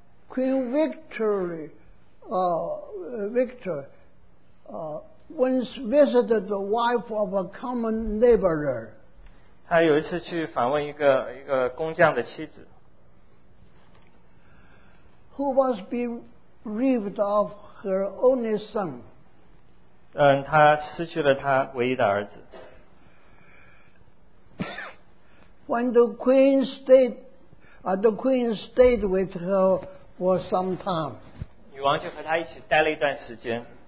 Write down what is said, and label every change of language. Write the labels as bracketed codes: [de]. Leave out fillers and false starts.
[en] Queen Victor, once visited the wife of a common laborer. [zh] 他有一次去访问一个工匠的妻子。 [en] Who was bereaved of her only son. [zh] 他失去了他唯一的儿子。 [en] When the queen stayed with her for some time. [zh] 女王就和她一起待了一段时间。